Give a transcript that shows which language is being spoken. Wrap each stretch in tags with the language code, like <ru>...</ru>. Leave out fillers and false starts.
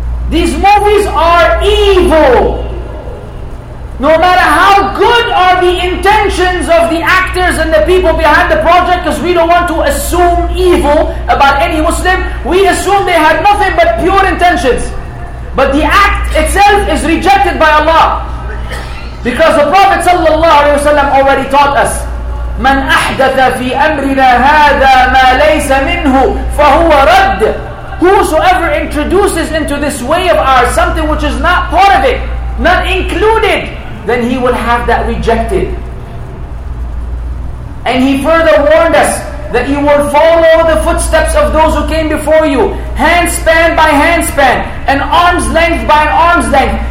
<en>These movies are evil. No matter how good are the intentions of the actors and the people behind the project, because we don't want to assume evil about any Muslim. We assume they had nothing but pure intentions. But the act itself is rejected by Allah. Because the Prophet sallallahu alaihi wasallam already taught us,</en> <ar>مَنْ أَحْدَثَ فِي أَمْرِنَا هَذَا مَا لَيْسَ مِنْهُ فَهُوَ رَدْ.</ar> <en>Whosoever introduces into this way of ours something which is not part of it, not included, then he will have that rejected. And he further warned us that you will follow the footsteps of those who came before you, handspan by handspan, and arm's length by arm's length.</en>